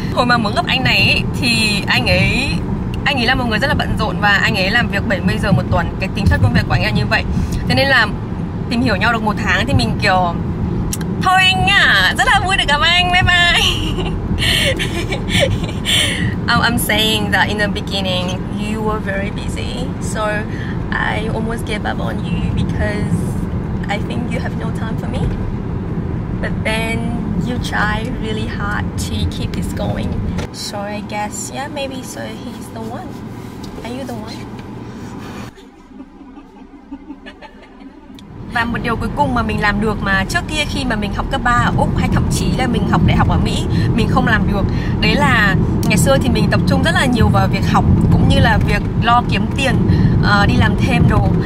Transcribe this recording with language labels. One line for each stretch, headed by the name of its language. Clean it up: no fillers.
Vietnamese: Hồi mà mới gặp anh này thì anh ấy là một người rất là bận rộn, và anh ấy làm việc 70 giờ một tuần, cái tính chất công việc của anh là như vậy. Thế nên là tìm hiểu nhau được một tháng thì mình kiểu thôi anh à, rất là vui được gặp anh, bye bye.
English: I'm saying that in the beginning you were very busy, so I almost gave up on you because I think you have no time for me. But then you try really hard to keep this going. So I guess, yeah, maybe so he's the one. Are you the one?
Vietnamese: Và một điều cuối cùng mà mình làm được mà trước kia khi mà mình học cấp 3 ở Úc hay thậm chí là mình học đại học ở Mỹ, mình không làm được. Đấy là ngày xưa thì mình tập trung rất là nhiều vào việc học cũng như là việc lo kiếm tiền, đi làm thêm đồ.